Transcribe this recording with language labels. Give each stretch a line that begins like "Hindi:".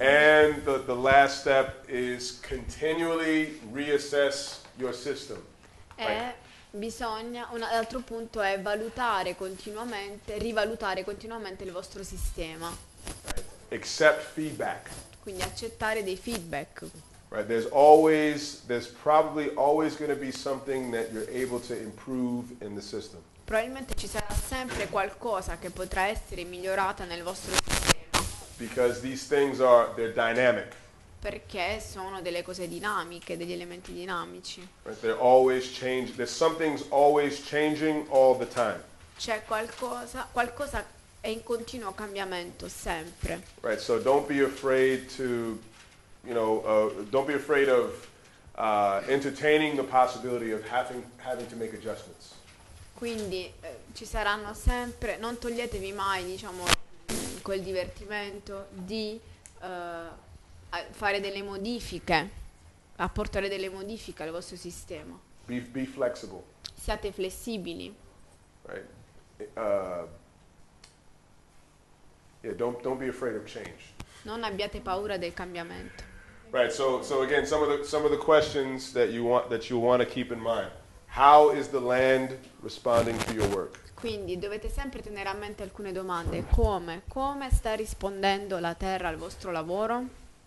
English: And the last step is continually reassess your system.
Italian: Un altro punto è rivalutare continuamente il vostro sistema.
English: Right. Accept feedback.
Italian: Quindi accettare dei feedback.
English: Right, there's probably always going to be something that you're able to improve in the system.
Italian: Probabilmente ci sarà sempre qualcosa che potrà essere migliorata nel vostro sistema.
English: Because these things are, they're dynamic.
Italian: Perché sono delle cose dinamiche, degli elementi dinamici.
English: Right, they're always changing. There's something's always changing all the time.
Italian: C'è qualcosa è in continuo cambiamento sempre.
English: Right, so don't be afraid to. You know, don't be afraid of entertaining the possibility of having to make adjustments.
Italian: Quindi ci saranno sempre, non toglietevi mai, diciamo, quel divertimento di fare delle modifiche, apportare delle modifiche al vostro sistema.
English: Be flexible.
Italian: Siate flessibili.
English: Right. Don't be afraid of change.
Italian: Non abbiate paura del cambiamento.
English: Right, so again, some of the questions that you want to keep in mind. How is the land responding to your work?
Italian: Quindi dovete sempre tenere a mente alcune domande. Come sta rispondendo la terra al vostro lavoro?